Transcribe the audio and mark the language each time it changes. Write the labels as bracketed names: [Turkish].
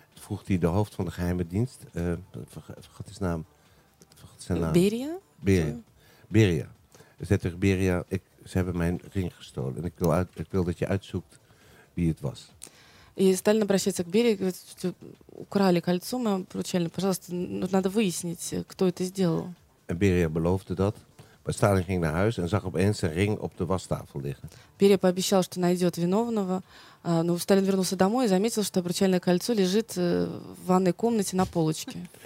[Dutch] Vroeg hij de hoofd van de geheime dienst, vergat zijn naam. Beria. Zei tegen Beria, ze hebben mijn ring gestolen. En ik wil dat je uitzoekt wie het was. [Russian] И Сталин обращается к Берии, говорит, украли кольцо, мы поручали, пожалуйста, надо выяснить, кто это сделал. [Dutch] En Beria beloofde dat. Maar Сталин ging naar huis en zag opeens zijn ring op de wastafel liggen. [Russian] Берия пообещал, что найдет виновного. Но Сталин вернулся домой и заметил, что обручальное кольцо лежит в ванной комнате на полочке.